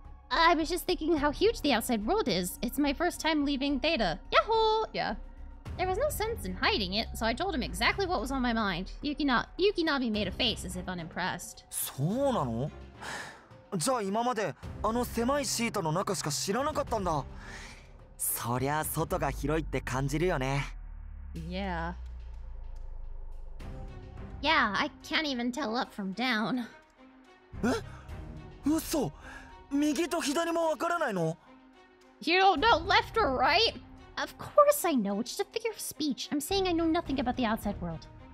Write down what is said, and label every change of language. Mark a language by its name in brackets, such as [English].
[English] I was just thinking how huge the outside world is. It's my first time leaving Theta. Yahoo! Yeah. There was no sense in hiding it, so I told him exactly what was on my mind. Yukinami made a face as if unimpressed. [Japanese] そうなの? じゃあ今まであの狭いシートの中しか知らなかったんだ。そりゃ外が広いって感じるよね。 [English] Yeah. Yeah, I can't even tell up from down. [Japanese] え?嘘! 右と左もわからないの? [English] You don't know left or right? Of course I know, it's just a figure of speech. I'm saying I know nothing about the outside world.